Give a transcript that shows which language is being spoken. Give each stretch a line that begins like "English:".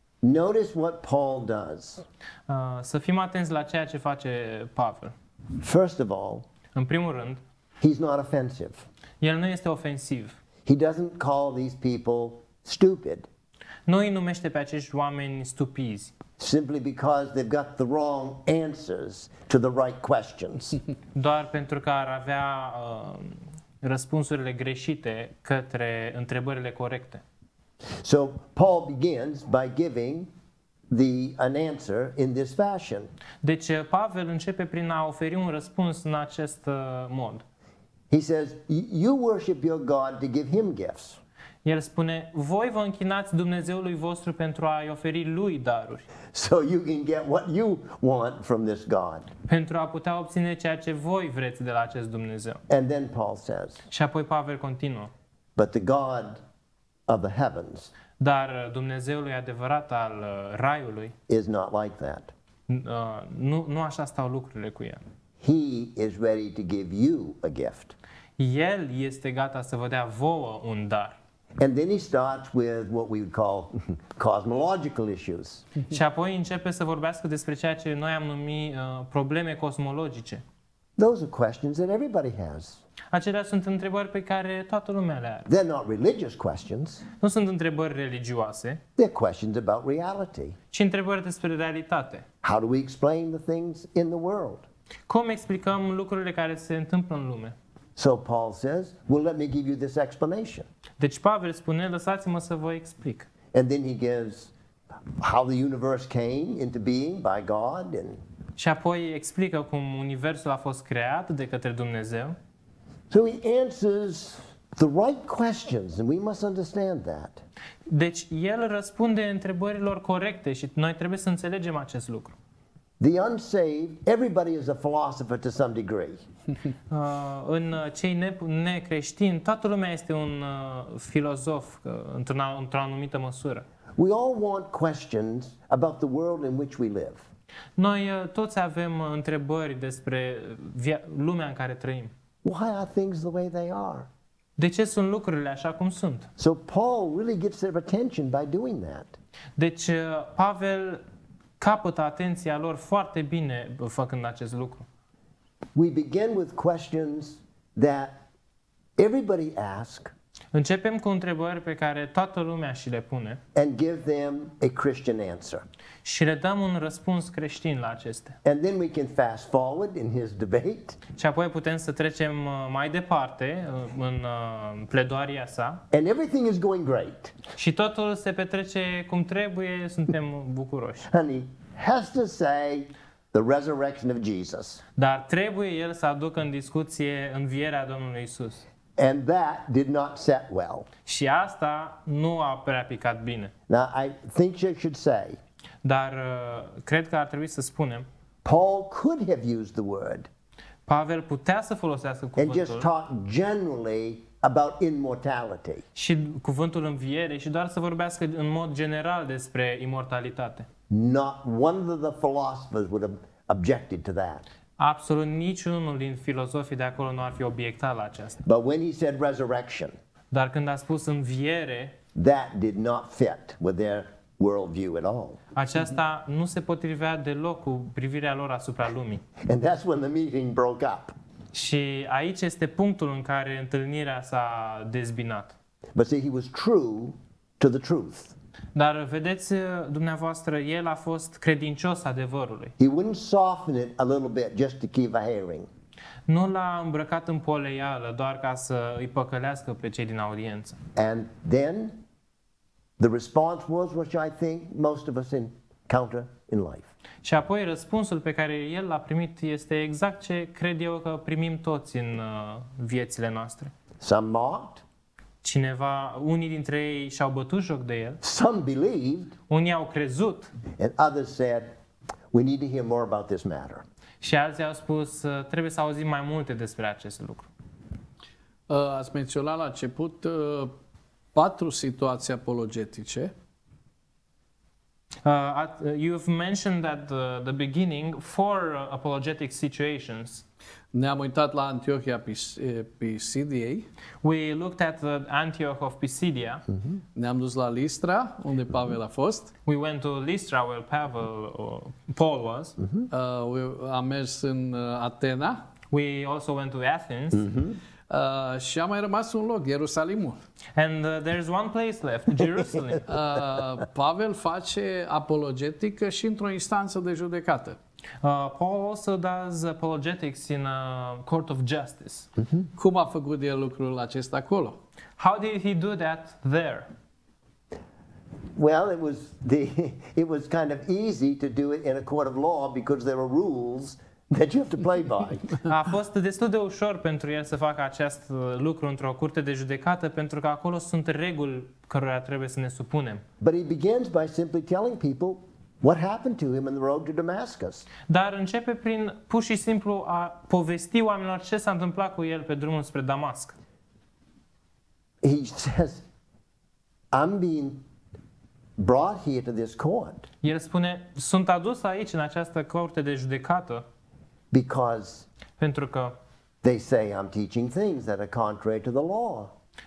English: Notice what Paul does.
Romanian: Să fim atenți la ceea ce face Pavel.
English: First of all,
Romanian: în primul rând,
English: he's not offensive.
Romanian: El nu este ofensiv.
English: He doesn't call these people stupid.
Romanian: Nu îi numește pe acești oameni stupizi.
English: Simply because they've got the wrong answers to the right questions.
Romanian: Doar pentru că ar avea răspunsurile greșite către întrebările corecte.
English: So Paul begins by giving an answer in this fashion.
Romanian: Deci Pavel începe prin a oferi un răspuns în acest mod.
English: He says, "You worship your God to give him gifts."
Romanian: El spune, voi vă închinați Dumnezeului vostru pentru a-i oferi lui daruri.
English: So you can get what you want from this God.
Romanian: Pentru a putea obține ceea ce voi vreți de la acest Dumnezeu.
English: And then Paul says,
Romanian: și apoi Pavel continuă.
English: But the God of the heavens,
Romanian: dar Dumnezeului adevărat al raiului,
English: is not like that.
Romanian: Nu așa stau lucrurile cu el.
English: He is ready to give you a gift.
Romanian: El este gata să vă dea vouă un dar.
English: And then he starts with what we would call cosmological issues.
Romanian: Și apoi începe să vorbească despre ceea ce noi am numit probleme cosmologice.
English: Those are questions that everybody has.
Romanian: Acelea sunt întrebări pe care toată lumea le are.
English: They're not religious questions.
Romanian: Nu sunt întrebări religioase.
English: They're questions about reality.
Romanian: Ci întrebări despre realitate.
English: How do we explain the things in the world?
Romanian: Cum explicăm lucrurile care se întâmplă în lume?
English: So Paul says, "Well, let me give you this explanation."
Romanian: Deci Pavel spune, lăsați-mă să vă explic.
English: And then he gives how the universe came into being by God and.
Romanian: Și apoi explică cum universul a fost creat de către Dumnezeu.
English: So he answers the right questions, and we must understand that.
Romanian: Deci el răspunde întrebărilor corecte și noi trebuie să înțelegem acest lucru.
English: The unsaved, everybody is a philosopher to some degree.
Romanian: În cei necreștini, toată lumea este un filozof într-o anumită măsură.
English: We all want questions about the world in which we live.
Romanian: Noi toți avem întrebări despre lumea în care trăim.
English: Why are things the way they are?
Romanian: De ce sunt lucrurile așa cum sunt?
English: So Paul really gets their attention by doing that.
Romanian: Deci Pavel capătă atenția lor foarte bine făcând acest lucru.
English: We begin with questions that everybody ask.
Romanian: Începem cu întrebări pe care toată lumea și le pune.
English: And give them a Christian answer.
Romanian: Și le dăm un răspuns creștin la acestea.
English: And then we can fast forward in his debate.
Romanian: Și apoi putem să trecem mai departe în pledoaria sa.
English: And everything is going great.
Romanian: Și totul se petrece cum trebuie, suntem bucuroși.
English: Honey, has to say the resurrection of Jesus.
Romanian: Dar trebuie el să aducă în discuție învierea Domnului Isus.
English: And that did not set well.
Romanian: Și asta nu a prea picat bine.
English: Now I think you should say.
Romanian: Dar cred că ar trebui să spunem.
English: Paul could have used the word.
Romanian: Pavel putea să folosească cuvântul.
English: And just talk generally about immortality.
Romanian: Și cuvântul înviere și doar să vorbească în mod general despre imortalitate.
English: Not one of the philosophers would have objected to that.
Romanian: Absolut niciunul din filozofii de acolo nu ar fi obiectat la aceasta.
English: But when he said resurrection,
Romanian: dar când a spus înviere,
English: that did not fit with their worldview at all.
Romanian: Aceasta nu se potrivea deloc cu privirea lor asupra lumii.
English: And that's when the meeting broke up.
Romanian: Și aici este punctul în care întâlnirea s-a dezbinat.
English: But see, he was true to the truth.
Romanian: Dar vedeți dumneavoastră, el a fost credincios adevărului.
English: He wouldn't soften it a little bit just to keep a hearing.
Romanian: Nu l-a îmbrăcat în poleială doar ca să îi păcălească pe cei din audiență.
English: And then the response was what I think most of us encounter in life.
Romanian: Și apoi răspunsul pe care el l-a primit este exact ce cred eu că primim toți în viețile noastre.
English: Some mocked.
Romanian: Cineva, unii dintre ei și-au bătut joc de el.
English: Some believed.
Romanian: Unii au crezut.
English: And others said, we need to hear more about this matter.
Romanian: Și alții au spus, trebuie să auzim mai multe despre acest lucru. Ați menționat la început patru situații apologetice.
English: You've mentioned at the beginning four apologetic situations.
Romanian: Ne-am uitat la Antiohia Pisidiei.
English: We looked at the Antioch of Pisidia. Mm-hmm.
Romanian: Ne-am dus la Listra, unde Pavel a fost.
English: We went to Listra where Pavel or Paul was.
Romanian: Mm-hmm. Am mers în Atena.
English: We also went to Athens.
Romanian: Și a mai rămas un loc, Ierusalimul.
English: And there's one place left, Jerusalem.
Romanian: Pavel face apologetică și într-o instanță de judecată.
English: Paul also does apologetics in a court of justice. Mm-hmm.
Romanian: Cum a făcut el lucrul acesta acolo?
English: How did he do that there? Well, it was kind of easy to do it in a court of law because there are rules that you have to play by.
Romanian: A fost destul de ușor pentru el să facă acest lucru într-o curte de judecată pentru că acolo sunt reguli cărora trebuie să ne supunem.
English: But he begins by simply telling people what happened to him in the road to Damascus.
Romanian: Dar începe prin pur și simplu a povesti oamenilor ce s-a întâmplat cu el pe drumul spre Damasc.
English: He says, I'm being brought here to this court.
Romanian: El spune, sunt adus aici în această curte de judecată.
English: Because
Romanian: pentru că
English: they say I'm teaching things that are contrary to the law.